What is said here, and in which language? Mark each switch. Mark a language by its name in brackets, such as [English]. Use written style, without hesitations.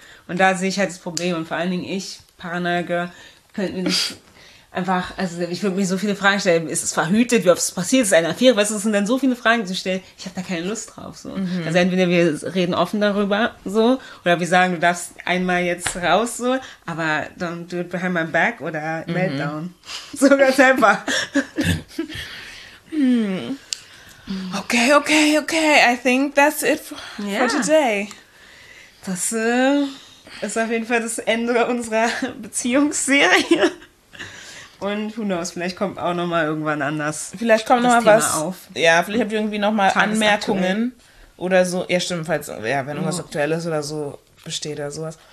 [German] Und da sehe ich halt das Problem. Und vor allen Dingen ich, Paranoia, könnte mich einfach, also ich würde mir so viele Fragen stellen, ist es verhütet, wie oft es passiert, ist es eine Affäre, weißt du, es sind dann so viele Fragen zu stellen, ich habe da keine Lust drauf, so. Also entweder wir reden offen darüber, so, oder wir sagen, du darfst einmal jetzt raus, so, aber [English] don't do it behind my back [German] oder meltdown. So ganz einfach. [English] Okay, I think that's it for today. [German] Das ist auf jeden Fall das Ende unserer Beziehungsserie. Und [English] who knows, [German] vielleicht kommt auch nochmal irgendwann anders. Vielleicht kommt nochmal was. Auf. Ja, vielleicht habt ihr irgendwie nochmal Anmerkungen aktuell. Oder so. Ja, stimmt, falls, ja, wenn irgendwas aktuell ist oder so, besteht oder sowas.